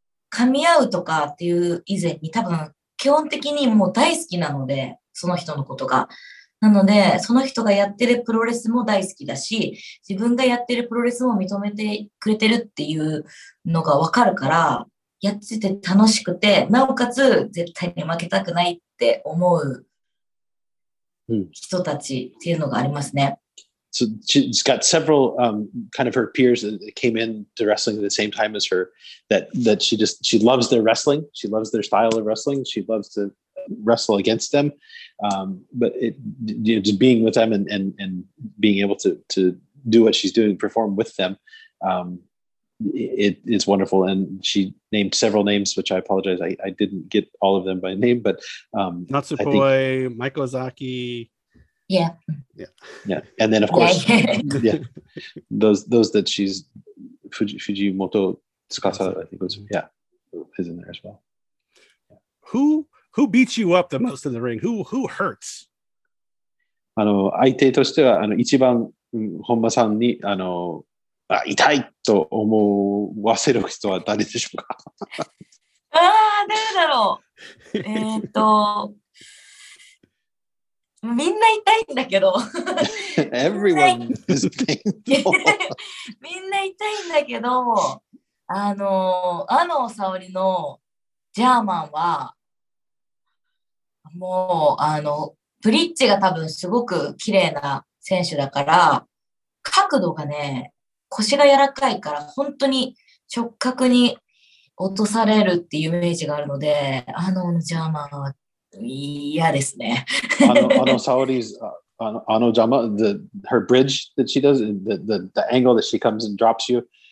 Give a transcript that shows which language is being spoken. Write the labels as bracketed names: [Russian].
[Japanese] 噛み合うとかっていう以前に多分基本的にもう大好きなのでその人のことが、なのでその人がやってるプロレスも大好きだし自分がやってるプロレスも認めてくれてるっていうのが分かるからやってて楽しくてなおかつ絶対に負けたくないって思う人たちっていうのがありますね。 [English] So she's got several kind of her peers that came in to wrestling at the same time as her that she loves their wrestling. She loves their style of wrestling. She loves to wrestle against them. But it, you know, just being with them and being able to do what she's doing, perform with them, it is wonderful. And she named several names, which I apologize. I didn't get all of them by name, but Natsupoi, Mike Ozaki. Yeah. And then of course, those that she's Fujimoto Tsukasa, I think was is in there as well. Yeah. Who beats you up the most in the ring? Who hurts? [Japanese] あの相手としてはあの一番本間さんにあのあ痛いと思わせる人は誰でしょうか？ああ誰だろう。みんな痛いんだけど。 [English] Everyone is painful. [Japanese] みんな痛いんだけど、あの沙織のジャーマンは、もう、ブリッジが多分すごく綺麗な選手だから、角度がね、腰が柔らかいから、本当に直角に落とされるっていうイメージがあるので、あのジャーマンは、嫌ですね。あの [English] Saori's [Japanese] あのジャマ、 [English] her bridge that she does, the angle that she comes and drops you,